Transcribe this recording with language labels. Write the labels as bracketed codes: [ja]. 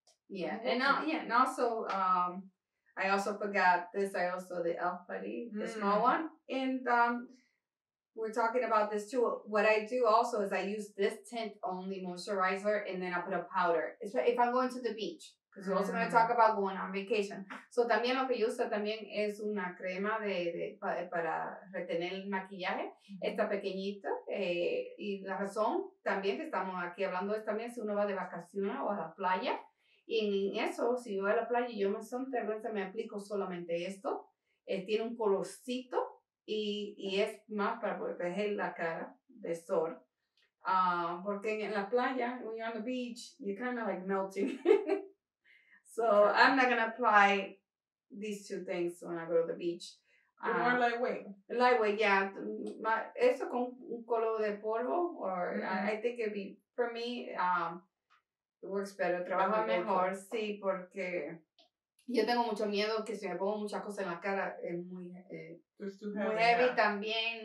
[en] Yeah, and now, yeah, and also, I also forgot this. I also the Elf Putty, the small one, and we're talking about this too. What I do also is I use this tint only moisturizer, and then I put a powder. Especially if I'm going to the beach, because we're also going to talk about going on vacation. [es] So también lo que yo uso también es una crema para retener el maquillaje. Está pequeñito, y la razón también que estamos aquí hablando es también si uno va de vacaciones o a la playa. Y en eso, si yo voy a la playa y yo me siento terrestre, me aplico solamente esto. Tiene un colorcito y es más para proteger la cara del sol. Porque en la playa, [en] when you're on the beach, you're kind of like melting. So I'm not going to apply these two things when I go to the beach. You're more lightweight. Lightweight, yeah. [es] Eso con un color de polvo, [en] or I think it'd be, for me, works better, [es] trabaja mejor, sí, porque yo tengo mucho miedo que si me pongo muchas cosas en la cara es muy, muy heavy también.